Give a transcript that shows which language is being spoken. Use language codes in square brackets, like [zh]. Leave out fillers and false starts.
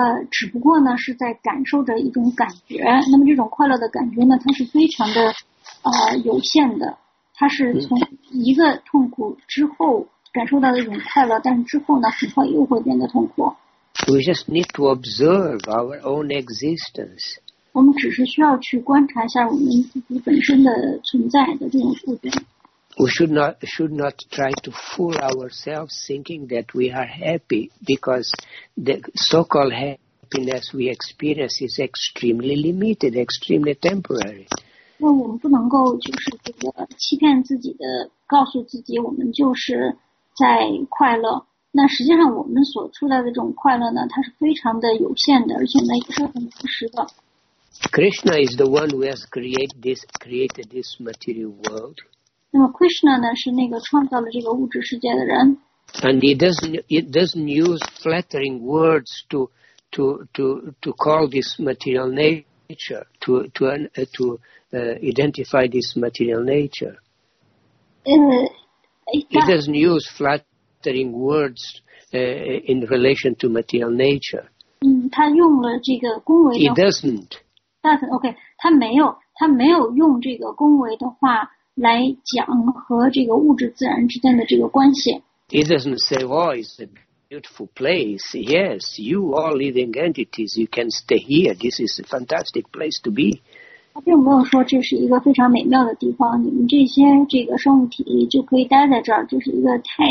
[zh] 只不过呢是在感受着一种感觉，那么这种快乐的感觉呢，它是非常的有限的，它是从一个痛苦之后感受到了一种快乐，但之后呢，很快又会变得痛苦。 [en] We just need to observe our own existence. [zh] 我们只是需要去观察一下我们自己本身的存在的这种特点。 [en] We should not try to fool ourselves thinking that we are happy because the so-called happiness we experience is extremely limited, extremely temporary. [zh] 那我们不能够就是这个欺骗自己的，告诉自己我们就是在快乐。那实际上我们所出来的这种快乐呢，它是非常的有限的，而且呢也是很不实的。 [en] Krishna is the one who has created this material world. [zh] 那么 Krishna 呢是那个创造了这个物质世界的人。 [en] And he doesn't use flattering words to call this material nature to identify this material nature. He doesn't use flattering words in relation to material nature. [zh] 他用了这个恭维的。 [en] He doesn't. [zh] Okay, 他没有用这个恭维的话来讲和这个物质自然之间的这个关系。 [en] He doesn't say, "Oh, it's a beautiful place. Yes, you all living entities, you can stay here. This is a fantastic place to be." [zh] 他并没有说这是一个非常美妙的地方，你们这些这个生物体就可以待在这儿，就是一个太。